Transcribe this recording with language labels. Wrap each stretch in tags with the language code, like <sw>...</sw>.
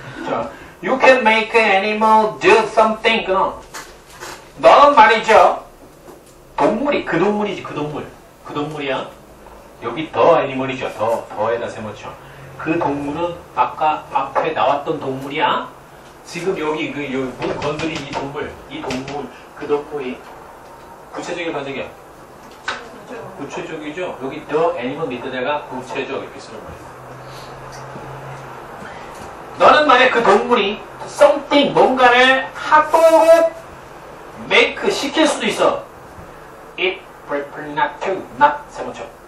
<en>자, you can make an animal do something.</en> <ko>그럼. 너는 말이죠. 동물이, 그 동물이지, 그 동물. 그 동물이야. 여기 더 애니멀이죠. 더, 더에다 세모죠. 그 동물은 아까 앞에 나왔던 동물이야. 지금 여기, 그, 요, 문 건드린 이 동물. 이 동물, 그 동물이. 구체적인 반응이야. 구체적이죠. 여기 더 애니멀 밑에다가 구체적 이렇게 쓰는 거예요. 너는 만약 그 동물이 something, 뭔가를 하도록 make, 시킬 수도 있어.</ko> <en>It prefer not to, not,</en> <ko>3번 쳐.</ko>